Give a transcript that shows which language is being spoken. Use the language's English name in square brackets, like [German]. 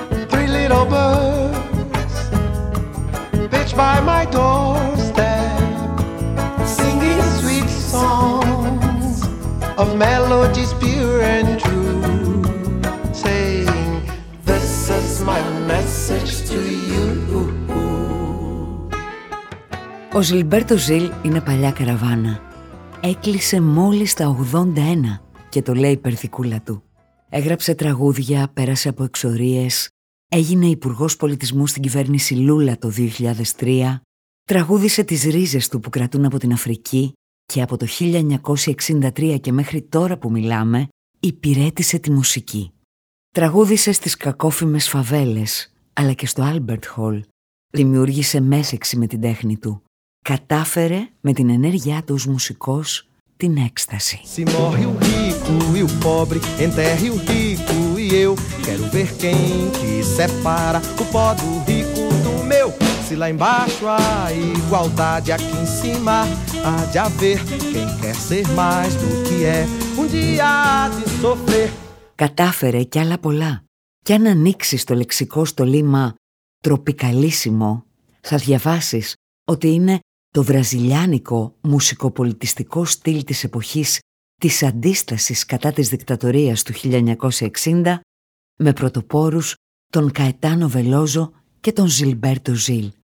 [English] Three little birds pitch by my doorstep, singing sweet songs of melodies pure and true, saying, this is my message to you. [Greek] Ο Ζιλμπέρτο Ζιλ είναι παλιά καραβάνα. Έκλεισε μόλις τα 81 και το λέει υπερθικούλα του. Έγραψε τραγούδια, πέρασε από εξορίες, έγινε υπουργός πολιτισμού στην κυβέρνηση Λούλα το 2003, τραγούδισε τις ρίζες του που κρατούν από την Αφρική και από το 1963 και μέχρι τώρα που μιλάμε, υπηρέτησε τη μουσική. Τραγούδισε στις κακόφημες φαβέλες, αλλά και στο Albert Hall. Δημιούργησε μέσεξη με την τέχνη του. Κατάφερε με την ενέργειά του ως μουσικός την έκσταση. [Portuguese] Se morre o rico e o pobre, enterre o rico e eu. Quero ver quem que separa o pó do rico do meu. Se lá embaixo há igualdade, aqui em cima há de haver quem quer ser mais do que é. Um dia de sofrer. [Greek] Κατάφερε κι άλλα πολλά. Κι αν ανοίξεις το λεξικό στο λίμα τροπικαλίσιμο, θα διαβάσεις ότι είναι το βραζιλιάνικο μουσικοπολιτιστικό στυλ της εποχής της αντίστασης κατά της δικτατορίας του 1960 με πρωτοπόρους τον Καετάνο Βελόζο και τον Ζιλμπέρτο Ζιλ.